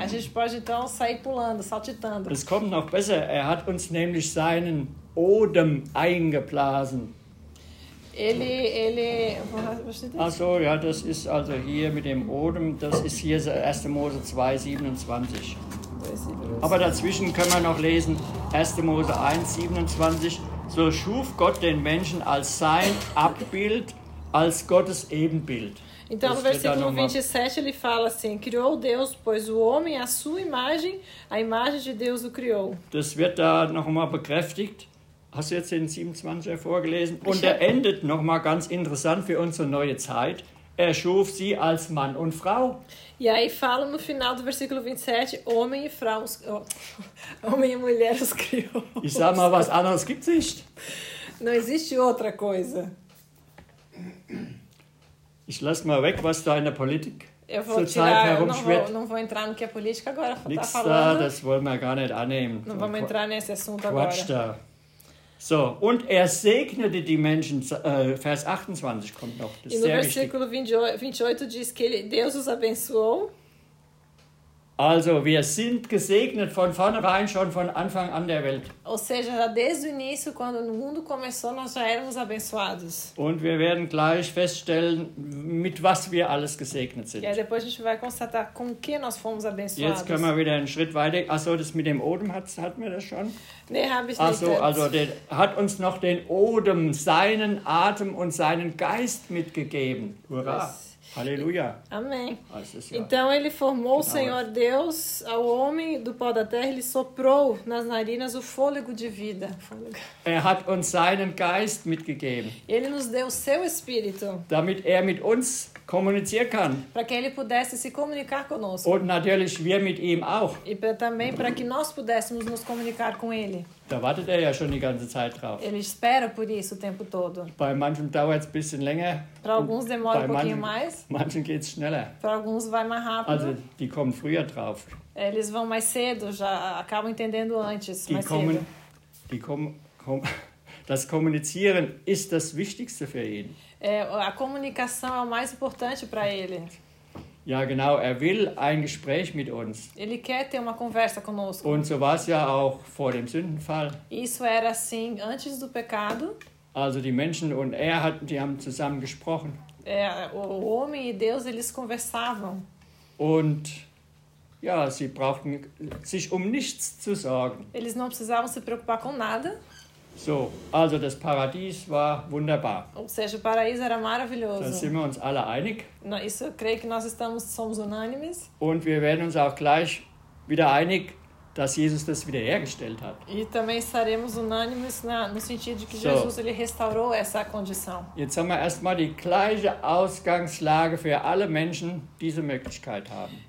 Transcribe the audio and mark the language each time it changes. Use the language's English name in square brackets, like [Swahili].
[Portuguese] A gente pode então sair pulando, saltitando. [German] Es kommt noch besser. Er hat uns nämlich seinen Odem eingeblasen. [Portuguese] Ele [German] Also ja, das ist also hier mit dem Odem, das ist hier 1. Mose 2, 27. Aber dazwischen können wir noch lesen, 1. Mose 1, 27, so schuf Gott den Menschen als sein Abbild, als Gottes Ebenbild. [Portuguese] Então, no versículo 27, ele fala assim, criou Deus, pois o homem, a sua imagem, a imagem de Deus o criou. [German] Das wird da nochmal bekräftigt. Hast du jetzt den 27er vorgelesen? Und er endet nochmal ganz interessant für unsere neue Zeit. Er schuf sie als Mann und Frau. [Portuguese] E aí fala no final do versículo 27, homem e Frau, homem e mulher os criou. [German] Ich sag mal, was anderes gibt's nicht. [Portuguese] Não existe outra coisa. [German] Ich lasse mal weg, was da in der Politik zur Zeit herumschwirrt. [Portuguese] Não vou entrar no que a política agora está [German] Nichts [Portuguese] falando. [German] Da, das wollen wir gar nicht annehmen. [Portuguese] Não so, vamos entrar nesse assunto [German] Quatsch [Portuguese] agora. [German] Da. So, und er segnete die Menschen, Vers 28 kommt noch, das ist sehr wichtig. [Portuguese] E no versículo 28 diz que Deus os abençoou. [German] Also, wir sind gesegnet von vornherein schon von Anfang an der Welt. [Portuguese] Ou seja, desde o início, quando o mundo começou, nós já éramos abençoados. [German] Und wir werden gleich feststellen, mit was wir alles gesegnet sind. [Portuguese] Ja, depois a gente vai constatar com que nós fomos abençoados. [German] Jetzt können wir wieder einen Schritt weiter. Achso, das mit dem Odem hat mir das schon? Nee, habe ich nicht. Achso, also der hat uns noch den Odem, seinen Atem und seinen Geist mitgegeben. Hurra! [Portuguese] Aleluia. Amém. Então ele formou o Senhor Deus ao homem do pó da terra, ele soprou nas narinas o fôlego de vida. [German] Er hat uns seinen Geist mitgegeben. [Portuguese] Ele nos deu o seu espírito. [German] Damit er mit uns kommunizieren kann. [Portuguese] Para que ele pudesse se comunicar conosco. [German] Und natürlich wir mit ihm auch. [Portuguese] E também para que nós pudéssemos nos comunicar com ele. [German] Da wartet er ja schon die ganze Zeit drauf. [Portuguese] Ele espera por isso o tempo todo. [German] Bei manchen dauert es ein bisschen länger. [Portuguese] Para alguns demora um pouquinho mais. [German] Manchen geht's schneller. [Portuguese] Para alguns vai mais rápido. [German] Also, die kommen früher drauf. [Portuguese] Eles vão mais cedo, já acabam entendendo antes, [German] die [Portuguese] mais [German] kommen, [Portuguese] cedo. [German] Das Kommunizieren ist das Wichtigste für ihn. [Portuguese] A comunicação é o mais importante para ele. [German] Ja, genau, er will ein Gespräch mit uns. [Portuguese] Ele quer ter uma conversa conosco. [German] Und so war es ja auch vor dem Sündenfall. [Portuguese] Isso era assim antes do pecado. [German] Also die Menschen und er hatten, die haben zusammen gesprochen. [Portuguese] O homem e Deus, eles conversavam. [German] Und ja, sie brauchten sich um nichts zu sorgen. [Portuguese] Eles não precisavam se preocupar com nada. [German] So, also das Paradies war wunderbar. [Portuguese] Ou seja, o paraíso era maravilhoso. [German] Dann sind wir uns alle einig. [Portuguese] Isso, eu creio que nós estamos, somos unânimes. [German] Und wir werden uns auch gleich wieder einig, dass Jesus das wiederhergestellt hat. [Portuguese] E também estaremos unânimes no sentido de que so. Jesus ele restaurou essa condição. [German] Jetzt haben wir erstmal die gleiche Ausgangslage für alle Menschen, die diese Möglichkeit haben.